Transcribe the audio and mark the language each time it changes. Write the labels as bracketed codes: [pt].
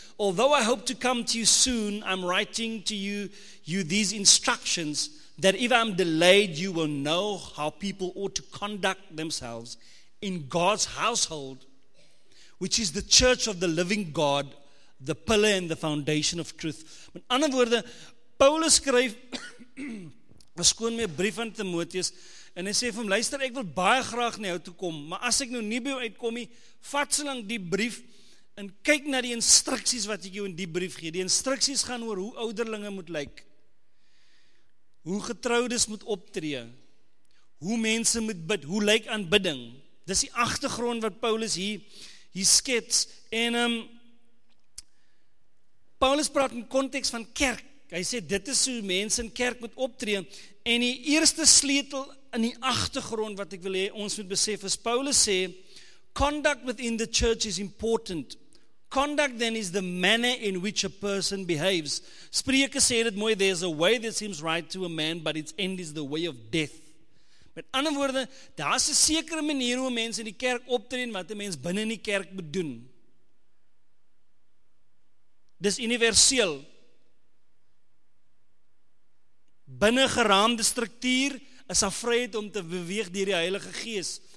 [en] Although I hope to come to you soon, I'm writing to you these instructions that if I'm delayed, you will know how people ought to conduct themselves in God's household, which is the church of the living God, the pillar and the foundation of truth. [af] Met ander woorde, Paulus skryf verskoon my brief aan Timoteus en hy sê vir hom, luister, ek wil baie graag na jou toe kom, maar as ek nou nie by jou uitkom nie, vat so lank die brief en kyk na die instructies wat ek jou in die brief gee. Die instructies gaan oor hoe ouderlinge moet lyk, hoe getroudes moet optree, hoe mense moet bid, hoe lyk aanbidding. Dis die agtergrond wat Paulus hier skets. En Paulus praat in context van kerk. Hy sê, dit is hoe mense in kerk moet optree. En die eerste sleutel in die agtergrond wat ek wil hê ons moet besef is, Paulus sê, [en] conduct within the church is important. Conduct then is the manner in which a person behaves. [af] Spreuke sê dit mooi, [en] there's a way that seems right to a man, but its end is the way of death. [af] Met ander woorde, daar is 'n sekere manier hoe mense in die kerk optree en wat 'n mens binne in die kerk moet doen. Dis universeel. Binne geraamde struktuur is daar vryheid om te beweeg deur die Heilige Gees.